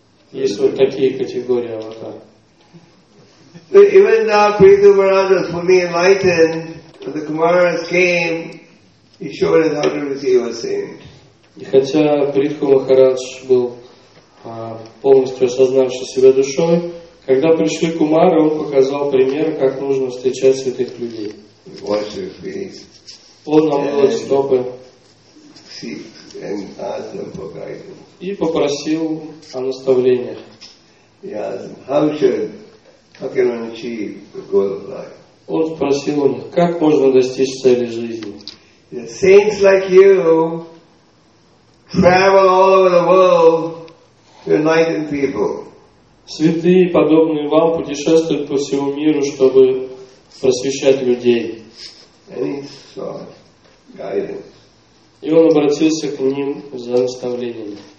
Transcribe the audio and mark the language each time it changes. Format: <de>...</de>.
<ru>Есть вот такие категории «Аватар».</ru> <en>Even now, Prithu Maharaja is fully enlightened. But the Kumaras came, he showed us how to receive a saint.</en> <ru>И хотя Притху Махарадж был полностью осознавший себя душой, когда пришли Кумары, он показал пример, как нужно встречать святых людей.</ru> <en>Watch their face.</en> <ru>Он намыл стопы.</ru> <en>Seek and ask them for guidance.</en> <ru>И попросил о наставлениях.</ru> <en>He asked them, how can one achieve the goal of life?</en> <ru>Он спросил у них, как можно достичь цели жизни.</ru> <en>Saints like you travel all over the world to enlighten people.</en> <ru>Святые, подобные вам, путешествуют по всему миру, чтобы просвещать людей.</ru> <en>And he sought guidance.</en> <ru>И он обратился к ним за наставлением.</ru>